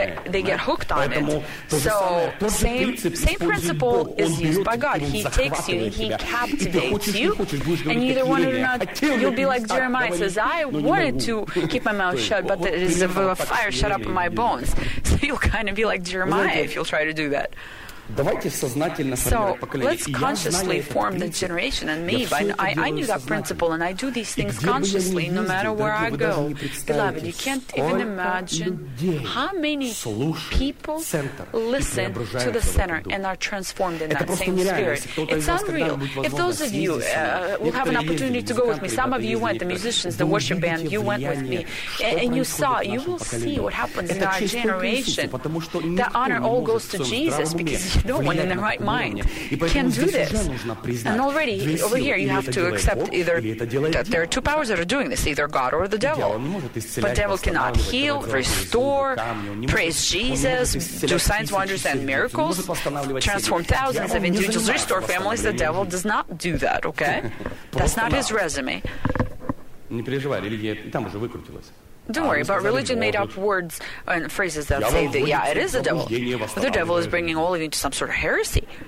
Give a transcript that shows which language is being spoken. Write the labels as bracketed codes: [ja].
[en] They get hooked on it. So same principle is used by God. He takes you, he captivates you, and either one or not, you'll be like Jeremiah says, I wanted to keep my mouth shut, but there is a fire shut up in my bones. So you'll kind of be like Jeremiah if you'll try to do that. [ru] Давайте сознательно формировать поколение. [en] Let's consciously form the generation and me. I knew that principle and I do these things consciously no matter where I go. Beloved, you can't even imagine how many people listen to the center and are transformed in that same spirit. It's unreal. If those of you will have an opportunity to go with me, some of you went, the musicians, the worship band, you went with me, and you saw, you will see what happens in our generation. The honor all goes to Jesus because no one in their right mind can do this. And already, over here, you have to accept either that there are two powers that are doing this, either God or the devil. But devil cannot heal, restore, praise Jesus, do signs, wonders, and miracles, transform thousands of individuals, restore families. The devil does not do that, okay? That's not his resume. [ru] Не переживай, религия там уже выкрутилась. [en] Don't worry, but religion made up words and phrases that say that, yeah, it is the devil. The devil is bringing all of you into some sort of heresy.